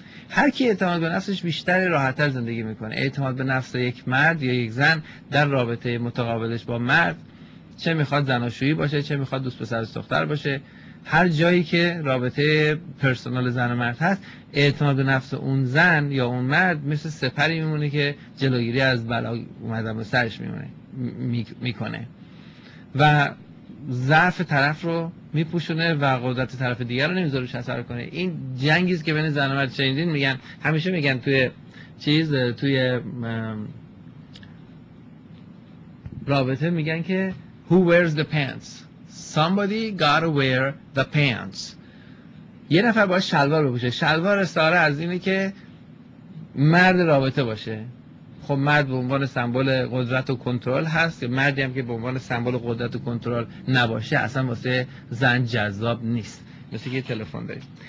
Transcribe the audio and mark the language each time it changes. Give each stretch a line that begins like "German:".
Persian: هر کی اعتماد به نفسش بیشتر راحت‌تر زندگی میکنه. اعتماد به نفس یک مرد یا یک زن در رابطه متقابلش با مرد، چه میخواد زناشویی باشه، چه میخواد دوست پسر دختر باشه، هر جایی که رابطه پرسنال زن و مرد هست، اعتماد به نفس اون زن یا اون مرد مثل سپری میمونه که جلوگیری از بلا اومدن به سرش میمونه میکنه و ضعف طرف رو میپوشونه و قدرت طرف دیگر رو نمیذاره شسر کنه. این جنگیز که بین زن و مرد چندین میگن، همیشه میگن توی چیز توی رابطه میگن که
English: Who wears the pants? Somebody gotta wear the pants.
Persian: یه نفر باید شلوار بپوشه. شلوار استعاره از اینه که مرد رابطه باشه. خب مرد به عنوان سمبل قدرت و کنترل هست، مردی هم که به عنوان سمبل قدرت و کنترل نباشه اصلا واسه زن جذاب نیست. مثل که یه تلفن داریم.